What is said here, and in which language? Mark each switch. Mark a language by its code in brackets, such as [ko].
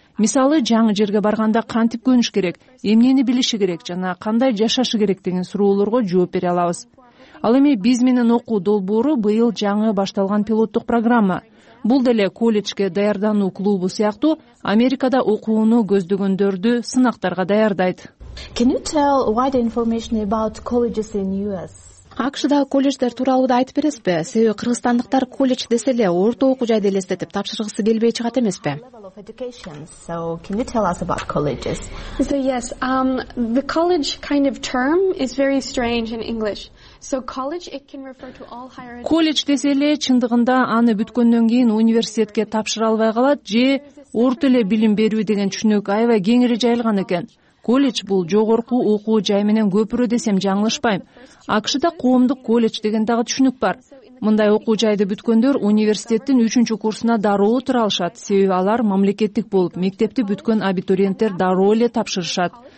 [ky] Мисалы, жаңы жерге барганда кантип көнүш керек, эмнени билиши керек жана кандай жашашы керек деген суроолорго жооп бере алабыз. Ал эми биз менен окуу долбоору быйыл жаңы башталган пилоттук программа. Бул деле коллежге даярдануу клубу сыяктуу Америкада окууну көздөгөндөрдү сынактарга даярдайт. [en] Can you tell wider information about colleges in US? [ky] АКШ-да коллеждер тууралуу да айтып бересизби? Себеби кыргызстандыктар коллеж десе эле орто окуу жайды элестетип тапшыргысы келбей чыгат эмеспи? [en] So, can you tell us about colleges? So, yes, the college kind of term is very strange in English. So college it can refer to all higher education. [ky] Коллеж десе эле чындыгында аны бүткөндөн кийин университетке тапшыра албай калат же орто эле билим берүү деген түшүнүк аябай кеңири жайылган экен. Коллеж бул жогорку окуу жай менен көпүрө десем жаңылышпайм. АКШ-да коомдук коллеж деген дагы түшүнүк бар. Мындай окуу жайды бүткөндөр университеттин 3-чү курсуна дароо тура алышат, себеби алар мамлекеттик болуп, мектепти бүткөн абитуриенттер дароо эле тапшырышат.